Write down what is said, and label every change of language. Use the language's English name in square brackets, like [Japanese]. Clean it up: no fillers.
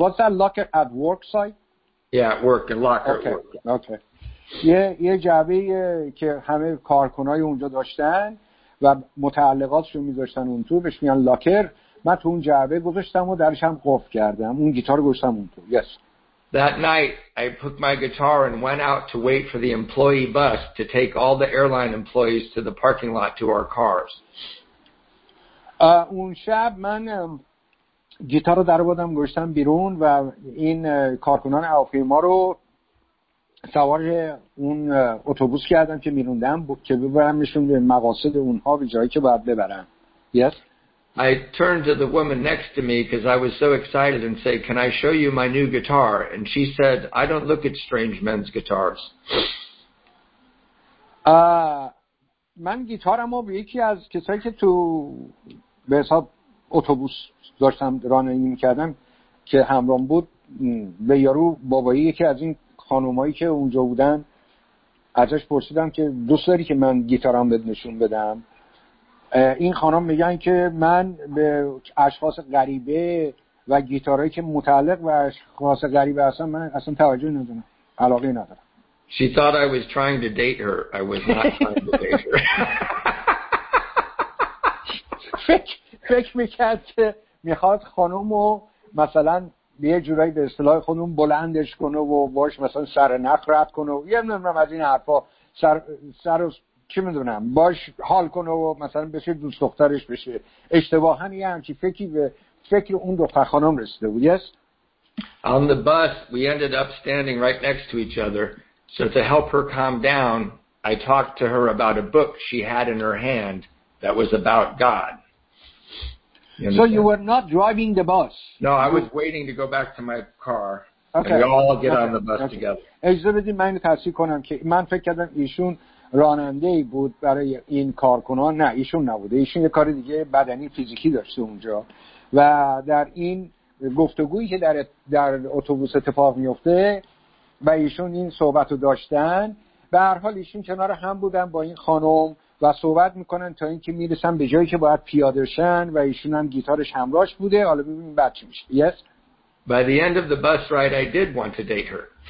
[English] What's that locker at work site? Yeah, at work, a locker. Okay. Okay. [Persian] یه جعبه که همه کارکنای اونجا داشتن و متعلقاتشو میذاشتن اون تو بهش میگن لاکر. من تو اون جعبه گذاشتم و درش هم قفل کردم اون گیتار گذاشتم اون تو. [English] Yes. That night I put my guitar and went out to wait for the employee bus to take all the airline employees to the parking lot to our cars. [Persian] اون شب من گیتار رو در آوردم گذاشتم بیرون و این کارکنان هواپیما رو سوار اون اتوبوس کردم که میروندم که ببرمشون به مقاصد اونها به جایی که باید ببرم. [English] Yes. I turned to the woman next to me because I was so excited and said, "Can I show you my new guitar?" And she said, "I don't look at strange men's guitars." [Persian] من گیتارمو به یکی از کسایی که تو به حساب اتوبوس داشتم رانندگی می‌کردم که همراهم بود به یارو بابایی یکی از این خانومایی که اونجا بودن ازش پرسیدم که دوست داری که من گیتارم بهت نشون بدم؟ این خانم میگن که من به اشخاص غریبه و گیتارهایی که متعلق به اشخاص غریبه هستن من اصلا توجه ندارم علاقه ندارم. [English] She thought I was trying to date her. I was not trying to date her. [Persian] فکر میکرد که میخواد خانومو مثلا به یه جورایی به اصطلاح خودمون بلندش کنه و باش مثلا سر نخ رد کنه و یه نمرم از این حرفا سر رو چی میدونم باش حال کنه و مثلا بشه دوست دخترش بشه. اشتباها یه همچی فکری به فکر اون دختر خانم رسیده بود. [English] Yes. On the bus we ended up standing right next to each other, so to help her calm down I talked to her about a book she had in her hand that was about God. So you were not driving the bus. No, I was waiting to go back to my car. Okay. And we all get on the bus together. [Persian] اجازه بدید من تصحیح کنم که من فکر کردم ایشون راننده‌ای بود برای این کارکنان. نه ایشون نبوده. ایشون یه کار دیگه بدنی فیزیکی داشته اونجا و در این گفتگویی که در اتوبوس اتفاق می‌افته و ایشون این صحبت رو داشتن به هر حال ایشون کنار هم بودن با این خانم و صحبت میکنن تا اینکه میرسن به جایی که باید پیاده شن و ایشون هم گیتارش همراهش بوده. حالا ببینیم بعد چی میشه. [English] Yes. By the end of the bus ride I did want to date her.